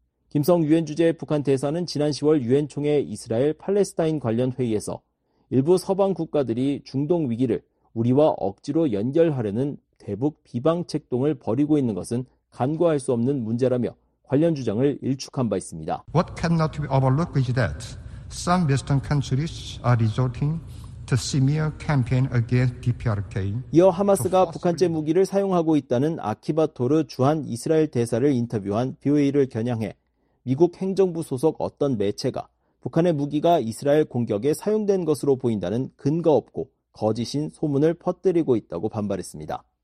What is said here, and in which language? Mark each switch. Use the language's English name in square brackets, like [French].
[Korean] 김성 유엔 주재 북한 대사는 지난 10월 유엔 총회 이스라엘 팔레스타인 관련 회의에서 일부 서방 국가들이 중동 위기를 우리와 억지로 연결하려는 대북 비방책동을 벌이고 있는 것은 간과할 수 없는 문제라며 관련 주장을 일축한 바 있습니다. [English] What cannot be overlooked is that some Western countries are resorting to similar campaign against DPRK. [Korean] 이어 하마스가 북한제 무기를 사용하고 있다는 아키바 토르 주한 이스라엘 대사를 인터뷰한 BOA를 겨냥해 미국 행정부 소속 어떤 매체가 북한의 무기가 이스라엘 공격에 사용된 것으로 보인다는 근거 없고 거짓인 소문을 퍼뜨리고 있다고 반발했습니다.